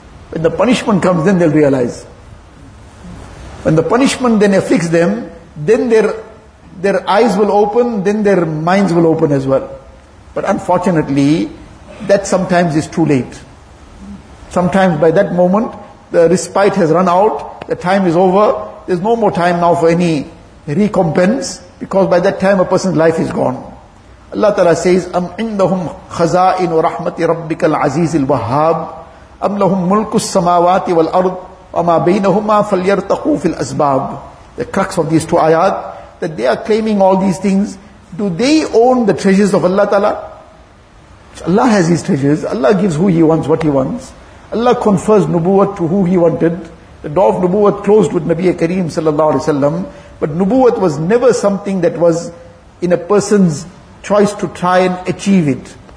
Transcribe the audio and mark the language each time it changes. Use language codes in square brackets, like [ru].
[en] When the punishment comes, then they'll realize. When the punishment then afflicts them, then their eyes will open, then their minds will open as well. But unfortunately, that sometimes is too late. Sometimes by that moment, the respite has run out, the time is over, there's no more time now for any recompense, because by that time a person's life is gone. [ar] Allah Ta'ala says, أَمْ عِنْدَهُمْ خَزَائِنُ رَحْمَةِ رَبِّكَ الْعَزِيزِ الْوَهَّابِ أَمْ لَهُمْ مُلْكُ السَّمَاوَاتِ وَالْأَرْضِ وَمَا بَيْنَهُمَا فَلْيَرْتَقُوا فِي الْأَسْبَابِ. [en] The crux of these two ayat, that they are claiming all these things. Do they own the treasures of Allah Ta'ala? Allah has these treasures. Allah gives who He wants, what He wants. Allah confers nubuwwat to who He wanted. The door of nubuwwat closed with Nabi Kareem sallallahu alaihi wasallam. But nubuwwat was never something that was in a person's choice to try and achieve it.